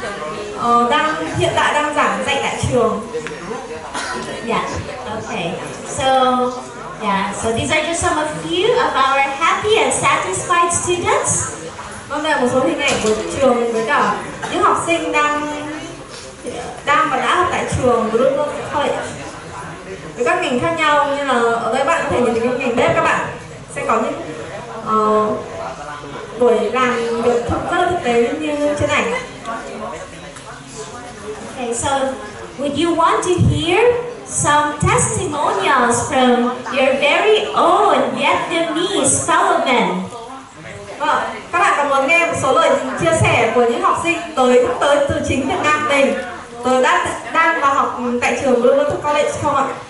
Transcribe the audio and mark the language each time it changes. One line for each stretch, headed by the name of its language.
Vietnamese: 45 giáo viên hiện tại đang giảng dạy tại trường.
English: Yeah, okay. So, yeah, so these are just some of few of our happy and satisfied students.
Vietnamese: Vâng, đây là một số hình ảnh của trường với cả những học sinh đang và đã học tại trường của Blue Lotus College. Các ngành khác nhau, như là ở đây bạn có thể nhìn thấy những ngành bếp, các bạn sẽ có những buổi làm việc rất là thực tế như trên ảnh.
English: Okay, so would you want to hear some testimonials from your very own Vietnamese fellow men?
Vietnamese: Vâng, các bạn có muốn nghe một số lời chia sẻ của những học sinh tới từ chính Việt Nam mình, từ đang và học tại trường Blue Lotus College không ạ?